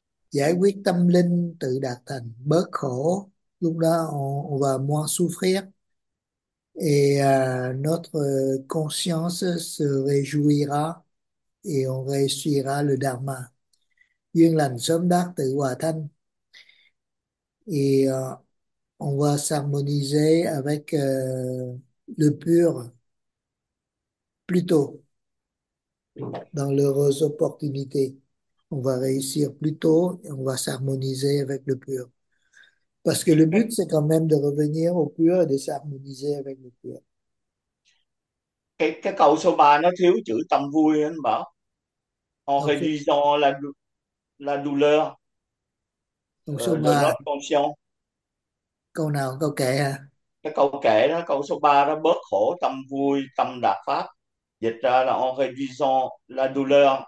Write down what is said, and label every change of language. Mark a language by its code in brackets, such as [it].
[vi] Giải quyết tâm linh tự đạt thành, bớt khổ. Lúc đó [fr] on va moins souffrir. Et notre conscience se réjouira et on réussira le dharma. [vi] Duyên lành sớm đắc tự hòa thanh. [fr] Et on va s'harmoniser avec le pur plus tôt dans l'heureuse opportunité. On va réussir plus tôt et on va s'harmoniser avec le pur. Parce que le but, c'est quand même de revenir au pur et de s'harmoniser avec le pur. [vi] Cái câu số 3 nó thiếu chữ tâm vui, anh bảo en Ok. [fr] réduisant la douleur [vi] Câu số [fr] de notre 3. conscience. [vi] Câu nào? Câu kể à? Cái câu kể đó, câu số 3 đó, bớt khổ tâm vui tâm đạt pháp, dịch ra là [fr] en réduisant la douleur.